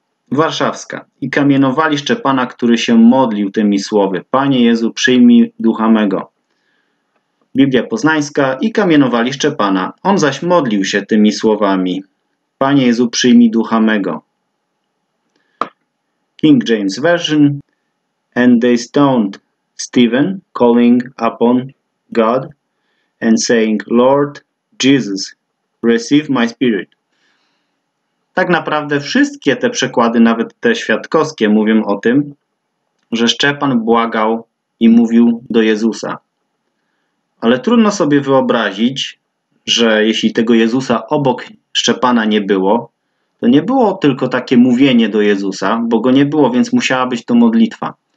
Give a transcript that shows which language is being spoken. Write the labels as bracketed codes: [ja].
[pl] Warszawska. I kamienowali Szczepana, który się modlił tymi słowy: Panie Jezu, przyjmij ducha mego. Biblia Poznańska. I kamienowali Szczepana. On zaś modlił się tymi słowami: Panie Jezu, przyjmij ducha mego. [en] King James Version. And they stoned Stephen, calling upon God and saying, Lord Jesus, receive my spirit. [pl] Tak naprawdę wszystkie te przekłady, nawet te świadkowskie, mówią o tym, że Szczepan błagał i mówił do Jezusa. Ale trudno sobie wyobrazić, że jeśli tego Jezusa obok Szczepana nie było, to nie było tylko takie mówienie do Jezusa, bo go nie było, więc musiała być to modlitwa.